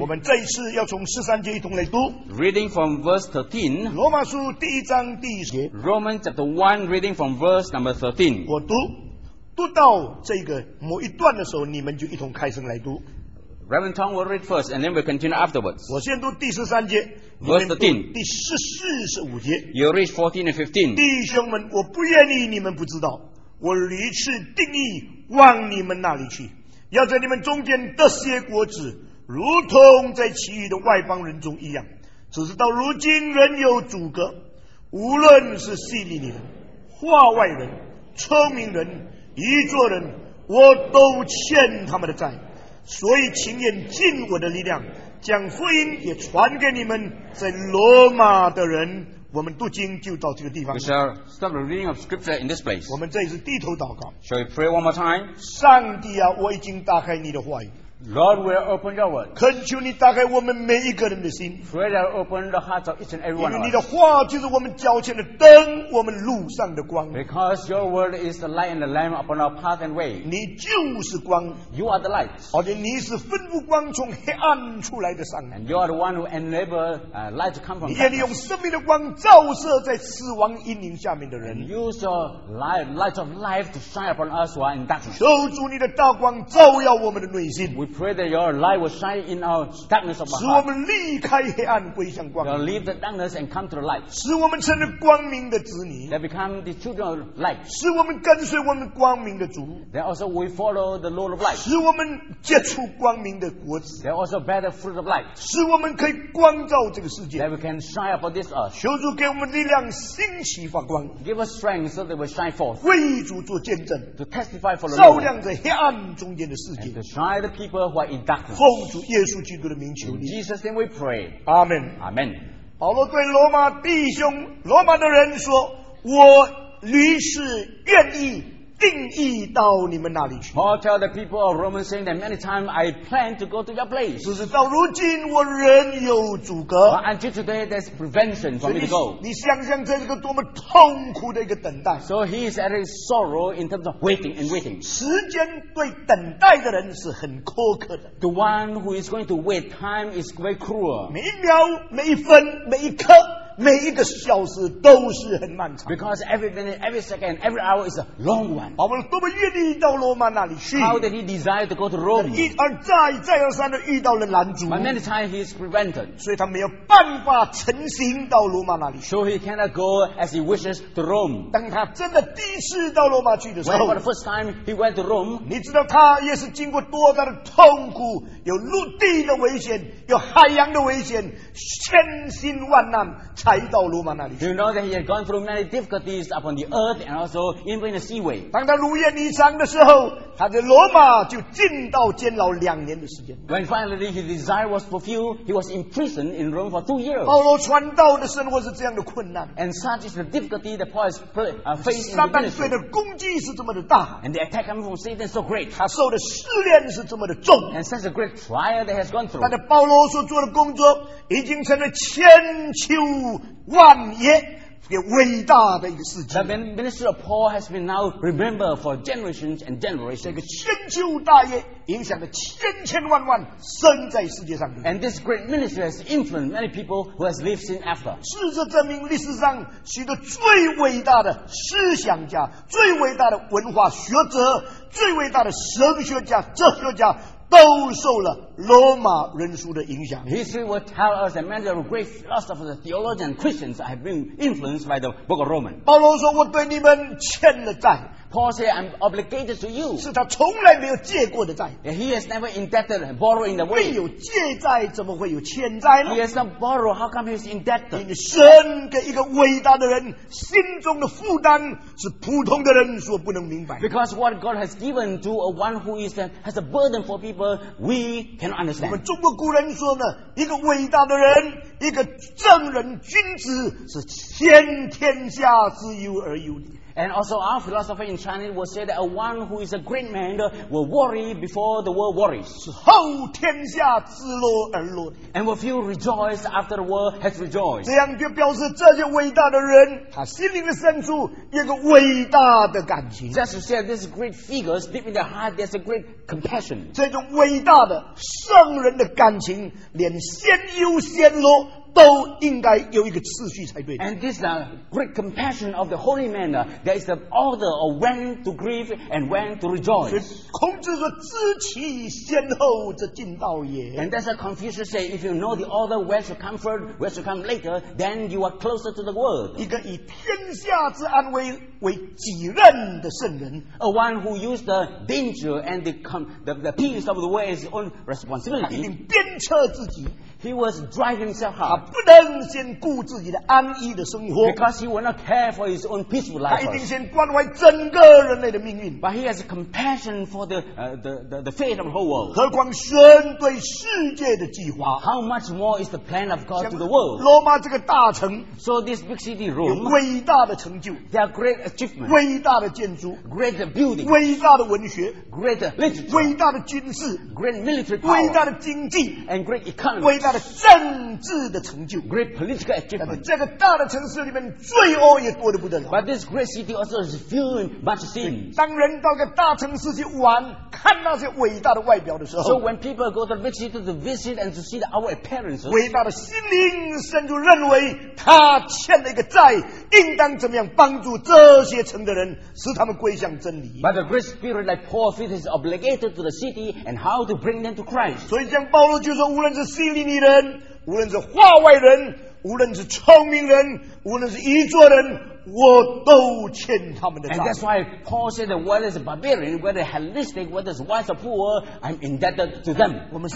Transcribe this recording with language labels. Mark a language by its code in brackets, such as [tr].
[zh] 我们这一次要从十三节一同来读。 [en] Reading from verse 13. [zh] 罗马书第一章第一节。 [en] Romans chapter 1, reading from verse number 13. [zh] 我读，读到这个某一段的时候，你们就一同开声来读。 [en] Reverend Tong will read first, and then we'll continue afterwards. [zh] 我先读第十三节。 [en] Verse 13. [zh] 第十四、十五节。 [en] You'll read 14 and 15. [zh] 弟兄们，我不愿意你们不知道。我屡次定意往你们那里去，要在你们中间得些果子，如同在其余的外邦人中一样。只是到如今仍有阻隔，无论是希利尼人、化外人、聪明人、愚拙人，我都欠他们的债。所以情愿尽我的力量，将福音也传给你们在罗马的人。我们读经就到这个地方。 [en] We shall stop the reading of scripture in this place. [zh] 我们这里是低头祷告。 [en] Shall we pray one more time? [zh] 上帝啊，我已经打开你的话语。 [en] Lord, we have opened your word. [zh] 恳求你打开我们每一个人的心。 [en] Pray that you open the hearts of each and every one of us. [zh] 因为你的话就是我们脚前的灯，我们路上的光。 [en] Because your word is the light and the lamp upon our path and way. [zh] 你就是光。 [en] You are the light. [zh] 而且你是吩咐光从黑暗出来的上帝。 [en] And you are the one who enable light to come from darkness. [zh] 你愿意用生命的光照射在死亡阴影下面的人。 [en] And use your light of life to shine upon us who are in darkness. [zh] 求主你的大光照耀我们的内心。 [en] We pray that your light will shine in our darkness of our heart. [zh] 使我们离开黑暗归向光明。 [en] You'll leave the darkness and come to the light. [zh] 使我们成了光明的子女。 [en] That become the children of light. [zh] 使我们跟随我们光明的主。 [en] That also we follow the Lord of light. [zh] 使我们结出光明的果子。 [en] That also bear the fruit of light. [zh] 使我们可以光照这个世界。 [en] That we can shine upon this earth. [zh] 求主给我们力量，兴起发光。 [en] Give us strength so that we shine forth. [zh] 为主做见证。 [en] To testify for the Lord. [zh] 照亮在黑暗中间的世界。 [en] And to shine the people. Who are in darkness. [zh] 奉主耶稣基督的名求你。 [en] In Jesus' name we pray. Amen. Amen. [zh] 保罗对罗马弟兄、罗马的人说：“我屡次愿意定义到你们那里去。” [en] Paul tells the people of Rome saying that many times I plan to go to your place. [zh] 只是到如今我仍有阻隔。 [en] But until today, there's prevention for me to go. [zh] 你想想，这是个多么痛苦的一个等待。 [en] So he is at a sorrow in terms of waiting and waiting. [zh] 时间对等待的人是很苛刻的。 [en] The one who is going to wait, time is very cruel. [zh] 每一秒、每一分、每一刻。每一个小时都是很漫长。 [en] Because every minute, every second, every hour is a long one. [zh] 保罗多么愿意到罗马那里去。 [en] How did he desire to go to Rome? [zh] 一而再，再而三的遇到了拦阻。 [en] But many times he is prevented. [zh] 所以他没有办法成行到罗马那里去。 [en] So he cannot go as he wishes to Rome. [zh] 当他真的第一次到罗马去的时候。 [en] When for the first time he went to Rome. [zh] 你知道他也是经过多大的痛苦，有陆地的危险，有海洋的危险，千辛万难。 [en] You know that he had gone through many difficulties upon the earth and also even in the seaway. [zh] 当他如愿以偿的时候，他在罗马就进到监牢两年的时间。 [en] When finally his desire was fulfilled, he was imprisoned in Rome for 2 years. [zh] 保罗传道的生活是这样的困难。 [en] And such is the difficulty that Paul has faced in [zh] 撒旦对他的攻击是这么的大。 [en] And the attack coming from Satan is so great. [zh] 他受的试炼是这么的重。 [en] And such a great trial that he has gone through. [zh] 但是保罗所做的工作已经成了千秋。万也也伟大的一个事迹。 [en] The ministry of Paul has been now remembered for generations and generations. [zh] 这个千秋大业影响了千千万万生在世界上。 [en] And this great ministry has influenced many people who has lived since after. [zh] 事实证明，历史上许多最伟大的思想家、最伟大的文化学者、最伟大的神学家、哲学家。都受了罗马人书的影响。 [en] History will tell us that many of the great philosophers, theologians, Christians have been influenced by the Book of Romans. [zh] 保罗说：“我对你们欠了债。” [en] Paul said, "I'm obligated to you." [zh] 是他从来没有借过的债。 [en] He has never indebted, borrowing the way. [zh] 没有借债，怎么会有欠债呢？ [en] He has not borrowed. How come he is indebted? [zh] 因为神给一个伟大的人心中的负担是普通的人所不能明白。 [en] Because what God has given to a one who is has a burden for people, we cannot understand. [zh] 我们中国古人说呢，一个伟大的人。一个正人君子是先天下之忧而忧虑。 [en] And also our philosopher in Chinese will say that a one who is a great man will worry before the world worries. [zh] 后天下自乐而乐, [en] and will feel rejoiced after the world has rejoiced. [zh] 这样就表示这些伟大的人, 他心灵深处有个伟大的感情。 [en] Just to say these great figures, deep in their heart, there's a great compassion. [zh] 这种伟大的圣人的感情, 连先忧先乐, 都应该有一个次序才对的。 [en] And this great compassion of the holy man, there is the order of when to grieve and when to rejoice. [zh] 所以孔子说知其先后则近道也。 [en] And that's what Confucius say, if you know the order where to come first, where to come later, then you are closer to the world. [zh] 一个以天下之安危为己任的圣人。 [en] A one who used the danger and the peace of the world as his own responsibility. [zh] 他一定鞭策自己。 [en] He was driving himself hard. [zh] 不能先顾自己的安逸的生活, [en] because he will not care for his own peaceful life. [zh] 他一定先关怀整个人类的命运。 [en] But he has compassion for the fate of the whole world. [zh] 何况神对世界的计划。 [en] How much more is the plan of God to the world? [zh] 罗马这个大城, [en] so this big city Rome, [zh] 有伟大的成就, [en] there are great achievements, [zh] 伟大的建筑, [en] great building, [zh] 伟大的文学, [en] great literature, [zh] 伟大的军事, [en] great military power, [zh] 伟大的经济, [en] and great economy, [zh] 伟大的政治的成就, [en] great political achievement. [zh] 这个大的城市里面罪恶也多得不得了。 [en] But this great city also is filled with much sin. [zh] 当人到个大城市去玩, 看那些伟大的外表的时候, [en] so when people go to the big city to visit and to see our appearances, [zh] 伟大的心灵深处认为, 他欠了一个债, 应当怎么样帮助这些城的人, 使他们归向真理。 [en] But the great spirit like Paul feels is obligated to the city and how to bring them to Christ. [zh] 所以像保罗就说, 无论是心里人, 无论是话外人, 无论是聪明人, 无论是愚拙人, 我都欠他们的债。 [en] And that's why Paul said that whether it's a barbarian, whether it's Hellenistic, whether it's wise or poor, I'm indebted to them.